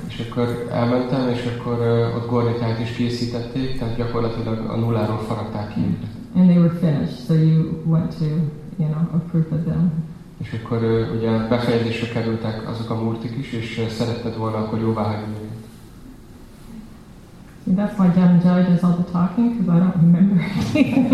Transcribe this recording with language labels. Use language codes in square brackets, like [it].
[hu] És akkor elmentem, és akkor ott Gurney time-t is készítették, tehát gyakorlatilag a nulláról faragták ki. [en] And they were finished, so you went to, you know, approve of them. [hu] És akkor ugye befejezésre kerültek azok a murtik is, és szeretted volna akkor jóvá hagyni. [en] See, that's why Jan Jai does all the talking, because I don't remember anything.